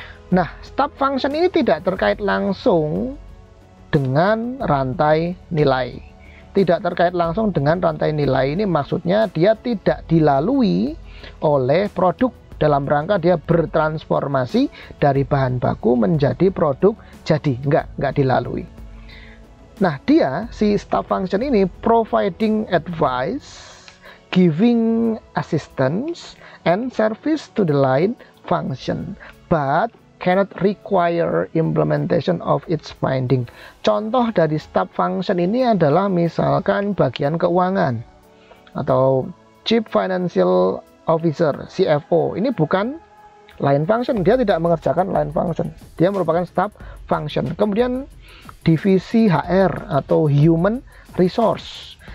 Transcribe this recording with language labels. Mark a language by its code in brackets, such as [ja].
[id] Nah, staff function ini tidak terkait langsung dengan rantai nilai. Tidak terkait langsung dengan rantai nilai ini maksudnya dia tidak dilalui oleh produk dalam rangka dia bertransformasi dari bahan baku menjadi produk jadi, enggak dilalui. Nah, dia si staff function ini [en] providing advice, giving assistance and service to the line function, but cannot require implementation of its finding. [id] Contoh dari staff function ini adalah misalkan bagian keuangan atau chief financial officer, CFO. Ini bukan line function, dia tidak mengerjakan line function. Dia merupakan staff function. Kemudian divisi HR atau human resource.